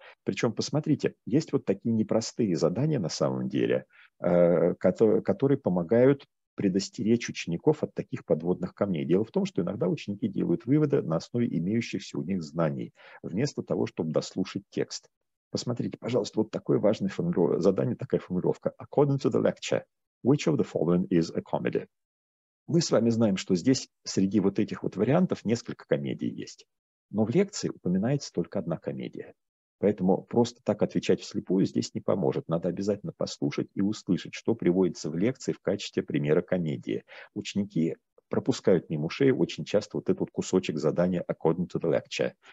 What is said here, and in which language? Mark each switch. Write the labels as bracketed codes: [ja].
[ru] Причем, посмотрите, есть вот такие непростые задания на самом деле, которые помогают предостеречь учеников от таких подводных камней. Дело в том, что иногда ученики делают выводы на основе имеющихся у них знаний, вместо того, чтобы дослушать текст. Посмотрите, пожалуйста, вот такое важное задание, такая формулировка. [en] According to the lecture, which of the following is a comedy? [ru] Мы с вами знаем, что здесь среди вот этих вот вариантов несколько комедий есть. Но в лекции упоминается только одна комедия. Поэтому просто так отвечать вслепую здесь не поможет. Надо обязательно послушать и услышать, что приводится в лекции в качестве примера комедии. Ученики пропускают мимо ушей очень часто вот этот вот кусочек задания [en] according to the lecture.